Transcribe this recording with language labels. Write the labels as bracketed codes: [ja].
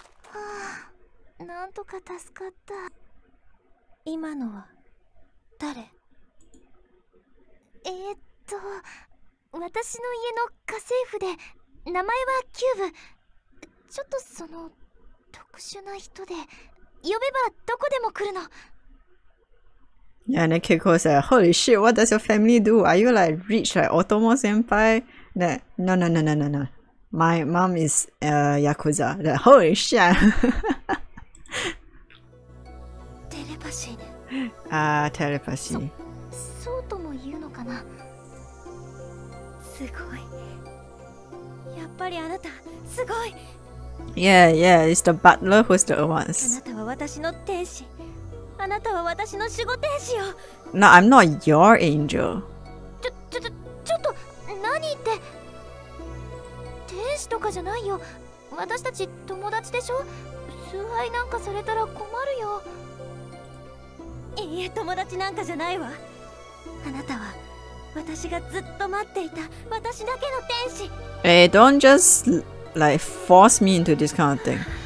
[ja] はあ、なんとか助かった。今のは、誰？私の家の家政婦で、名前はキューブ。ちょっとその、特殊な人で、呼べばどこでも来るの。 [en] Yeah, and then Keiko said, holy shit, what does your family do? Are you like rich, like Otomo senpai? Like, no, no, no, no, no, no. My mom is Yakuza. Like, holy shit. Telepathy. [ja] so, so, so, so, so, so, so, so, so,あなたは私の守護天使よ。 [en] No, I'm not your angel. [ja] ちょっと、何言って。天使とかじゃないよ。私たち友達でしょ。崇拝なんかされたら困るよ。いいえ、友達なんかじゃないわ。あなたは私がずっと待っていた私だけの天使。 [en] Hey, don't just like force me into this kind of thing.